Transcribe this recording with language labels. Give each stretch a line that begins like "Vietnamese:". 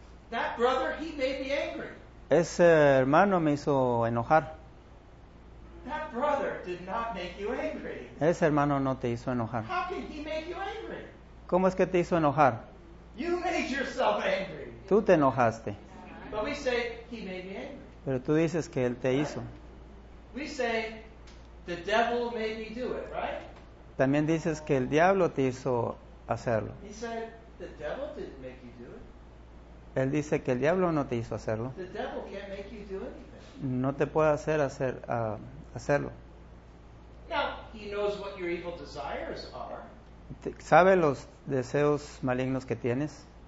English: That brother, he made me angry.
Spanish: Ese hermano me hizo enojar.
English: That brother did not make you angry.
Spanish: Ese hermano no te hizo enojar.
English: How can he make you angry?
Spanish: ¿Cómo es que te hizo enojar?
English: You made yourself angry.
Spanish: Tú te enojaste.
English: But we say, he made me angry.
Spanish: Pero tú dices que él te hizo.
English: We say, the devil made me do it, right?
Spanish: También dices que el diablo te hizo hacerlo.
English: He said, the devil didn't make you do it.
Spanish: Él dice que el diablo no te hizo hacerlo.
English: The devil can't make you do anything.
Spanish: No te puede hacer hacerlo.
English: Now, he knows what your evil desires are.
Spanish: ¿Sabe los deseos malignos que tienes?